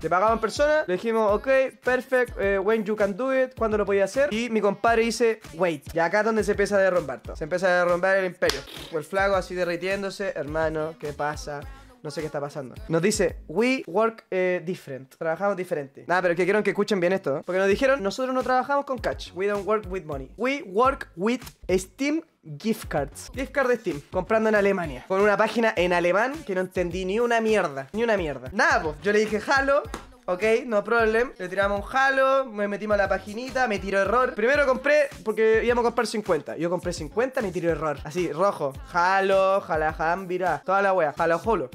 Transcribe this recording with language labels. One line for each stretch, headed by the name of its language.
Spanish: Le pagamos en persona, le dijimos,
English: ok, perfect, when you can do it,
Spanish: cuando lo podía hacer. Y mi compadre dice,
English: wait.
Spanish: Y acá es donde se empieza a derrumbar todo. Se empieza a derrumbar el imperio. El flaco así derritiéndose, hermano, ¿qué pasa? No sé qué está pasando. Nos dice,
English: we work different.
Spanish: Trabajamos diferente. Nada, pero que quiero que escuchen bien esto, ¿eh? Porque nos dijeron, nosotros no trabajamos con cash.
English: We don't work with money. We work with Steam gift cards.
Spanish: Gift card de Steam. Comprando en Alemania. Con una página en alemán que no entendí ni una mierda. Nada, pues. Yo le dije, halo.
English: Ok, no problem.
Spanish: Le tiramos un halo. Me metimos a la paginita. Me tiró error. Primero compré porque íbamos a comprar 50. Yo compré 50, me tiró error. Así, rojo. Halo, jalajam, virá. Toda la wea. Halo, holo.